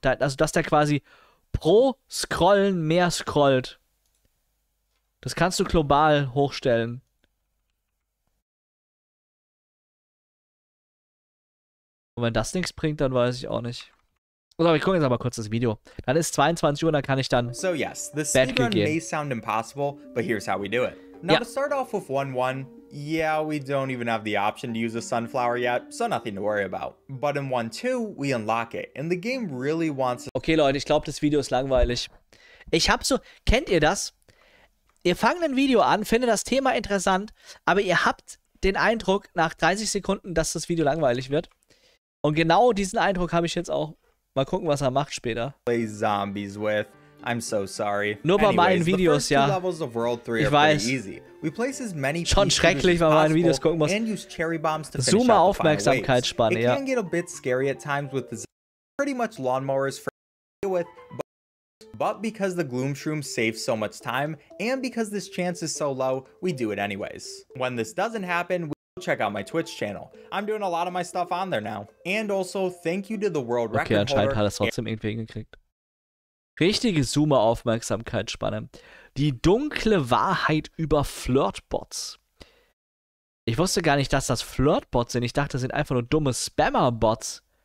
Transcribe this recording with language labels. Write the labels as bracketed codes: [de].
[de] Also, dass der quasi pro Scrollen mehr scrollt. Das kannst du global hochstellen. Und wenn das nichts bringt, dann weiß ich auch nicht. So, ich gucke jetzt aber kurz das Video. Dann ist 22 Uhr, dann kann ich dann [en] so yes, the speedrun may sound impossible, but here's how we do it. Now, to start off with 1-1, yeah, we don't even have the option to use a sunflower yet, so nothing to worry about. But in 1-2, we unlock it, and the game really wants... [de] Okay, Leute, ich glaube, das Video ist langweilig. Ich hab so... Kennt ihr das? Ihr fangt ein Video an, findet das Thema interessant, aber ihr habt den Eindruck nach 30 Sekunden, dass das Video langweilig wird. Und genau diesen Eindruck habe ich jetzt auch. Mal gucken, was er macht später. [en] Play zombies with. I'm so sorry. [de] Nur bei meinen Videos, ja. Ich weiß. Schon schrecklich, weil meine Videos gucken muss. [en] And use cherry bombs to [de] zoom mal Aufmerksamkeitsspanne, ja. [en] It can get a bit scary at times with the pretty much lawnmowers for deal with. But because the Gloom Shroom saves so much time, and because this chance is so low, we do it anyways. When this doesn't happen, we check out my Twitch channel. I'm doing a lot of my stuff on there now. And also, thank you to the world record holder. [de] Okay, anscheinend hat er es trotzdem irgendwie hingekriegt. Richtige Zoomer-Aufmerksamkeitsspanne. Die dunkle Wahrheit über Flirtbots. Ich wusste gar nicht, dass das Flirtbots sind. Ich dachte, das sind einfach nur dumme Spammer-Bots.